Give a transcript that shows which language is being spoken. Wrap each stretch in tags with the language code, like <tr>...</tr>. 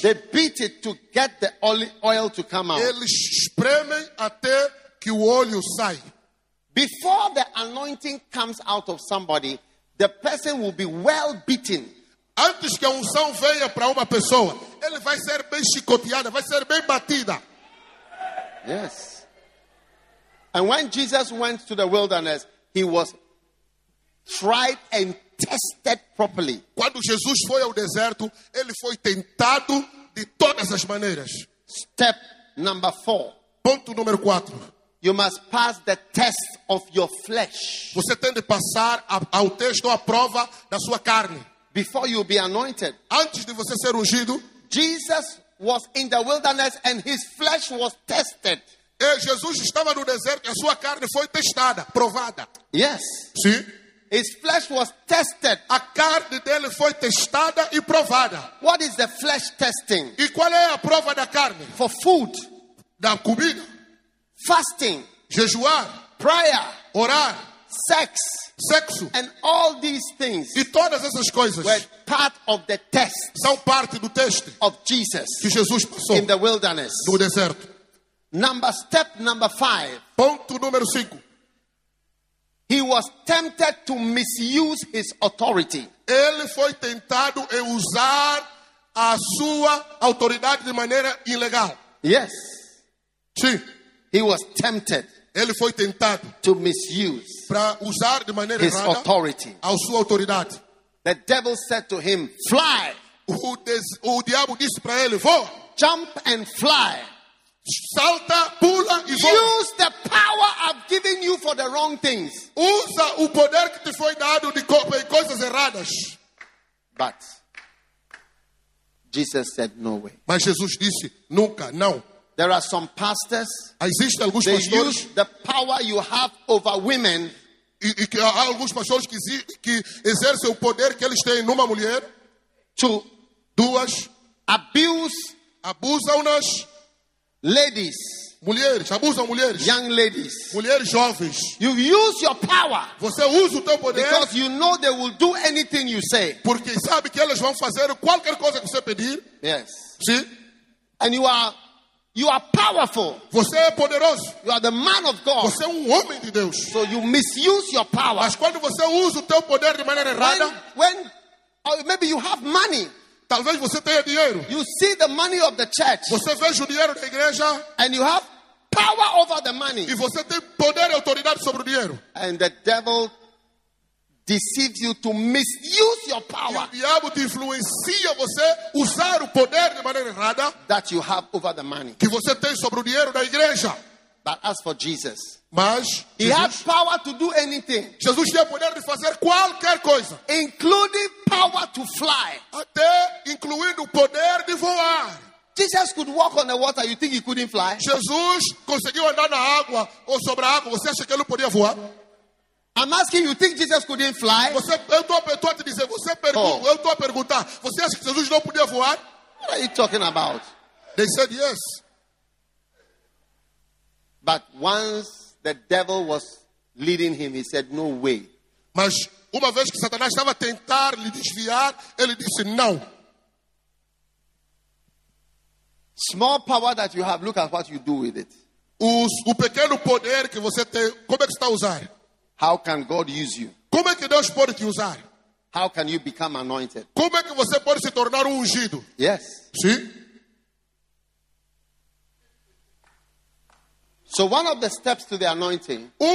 <en>They beat it to get the oil to come out.</en> <pt>Eles espremem até que o óleo sai.</pt> <en>Before the anointing comes out of somebody, the person will be well beaten.</en> <pt>Antes que a unção venha para uma pessoa, ele vai ser bem chicoteada, vai ser bem batida.</pt> <en>Yes. And when Jesus went to the wilderness, he was tried and tested properly.</en> <pt>Quando Jesus foi ao deserto, ele foi tentado de todas as maneiras.</pt> <en>Step number 4.</en> <pt>Ponto número 4.</pt> <en>You must pass the test of your flesh.</en> <pt>Você tem de passar ao teste ou à prova da sua carne.</pt> <en>Before you be anointed.</en> <pt>Antes de você ser ungido,</pt> <en>Jesus was in the wilderness and his flesh was tested.</en> <pt>Jesus estava no deserto e a sua carne foi testada, provada.</pt> <en>Yes.</en> <pt>Sim.</pt> <en>His flesh was tested.</en> <pt>A carne dele foi testada e provada.</pt> <en>What is the flesh testing?</en> <pt>E qual é a prova da carne?</pt> <en>For food.</en> <pt>Da comida.</pt> <en>Fasting.</en> <pt>Jejuar.</pt> <en>Prayer.</en> <pt>Orar.</pt> <en>Sex.</en> <pt>Sexo.</pt> <en>And all these things.</en> <pt>E todas essas coisas.</pt> <en>Were part of the test.</en> <pt>São parte do teste.</pt> <en>Of Jesus.</en> <pt>Que Jesus passou.</pt> <en>In the wilderness.</en> <pt>No deserto.</pt> <en>Step number 5.</en> <pt>Ponto número 5.</pt> <en>He was tempted to misuse his authority.</en> <pt>Ele foi tentado em usar a sua autoridade de maneira ilegal.</pt> <en>Yes.</en> <pt>Sim.</pt> <en>He was tempted.</en> <pt>Ele foi tentado</pt> <en>to misuse</en> <pt>para usar de maneira</pt> <en>his</en> <pt>errada</pt> <en>authority.</en> <pt>A sua autoridade.</pt> <en>The devil said to him, "Fly."</en> <pt>O diabo disse para ele, "Voa."</pt> <en>Jump and fly.</en> <pt>Salta, pula e voa.</pt> <en>Use the power I've given you for the wrong things.</en> <pt>Usa o poder que te foi dado de coisas erradas.</pt> <en>But Jesus said no way.</en> <pt>Mas Jesus disse nunca, não.</pt> <en>There are some pastors.</en> <pt>Existem alguns</pt> <en>they</en> <pt>pastores.</pt> <en>Use the power you have over women.</en> <pt>E há alguns pastores que exercem o poder que eles têm numa mulher.</pt> <en>To</en> <pt>duas.</pt> <en>Abuse.</en> <pt>Abusam-nas.</pt> <en>Ladies,</en> <pt>mulheres, abusam mulheres.</pt> <en>Young ladies,</en> <pt>mulheres jovens.</pt> <en>You use your power.</en> <pt>Você usa o teu poder.</pt> <en>Because you know they will do anything you say.</en> <pt>Porque sabe que elas vão fazer qualquer coisa que você pedir.</pt> <en>Yes.</en> <pt>Sim.</pt> <en>And you are powerful.</en> <pt>Você é poderoso.</pt> <en>You are the man of God.</en> <pt>Você é homem de Deus.</pt> <en>So you misuse your power.</en> <pt>Mas quando você usa o teu poder de maneira errada,</pt> <en>when maybe you have money.</en> <pt>Talvez você tenha dinheiro.</pt> <en>You see the money of the church.</en> <pt>Você vê o dinheiro da igreja.</pt> <en>And you have power over the money.</en> <pt>E você tem poder e autoridade sobre o dinheiro.</pt> <en>And the devil deceives you to misuse your power.</en> <pt>E o diabo te influencia você usar o poder de maneira errada.</pt> <en>That you have over the money.</en> <pt>Que você tem sobre o dinheiro da igreja.</pt> <en>But as for Jesus.</en> <pt>Mas</pt> <en>he had power to do anything.</en> <pt>Jesus tinha poder de fazer qualquer coisa.</pt> <en>Including power to fly.</en> <pt>Até incluindo o poder de voar.</pt> <en>Jesus could walk on the water. You think he couldn't fly?</en> <pt>Jesus conseguiu andar na água ou sobre a água. Você acha que ele podia voar?</pt> <en>I'm asking you, think Jesus couldn't fly?</en> <pt>Você, eu tô te dizendo, você per- estou a perguntar, você acha que Jesus não podia voar?</pt> <en>What are you talking about? They said yes. But once the devil was leading him, he said no way.</en> <pt>Mas uma vez que Satanás estava a tentar lhe desviar, ele disse não.</pt> <en>Small power that you have, look at what you do with it.</en> <pt>O pequeno poder que você tem, como é que está a usar?</pt> <en>How can God use you?</en> <pt>Como é que Deus pode te usar?</pt> <en>How can you become anointed?</en> <pt>Como é que você pode se tornar ungido?</pt> <en>Yes.</en> <pt>Sim.</pt> <en>So one of the steps to the anointing,</en>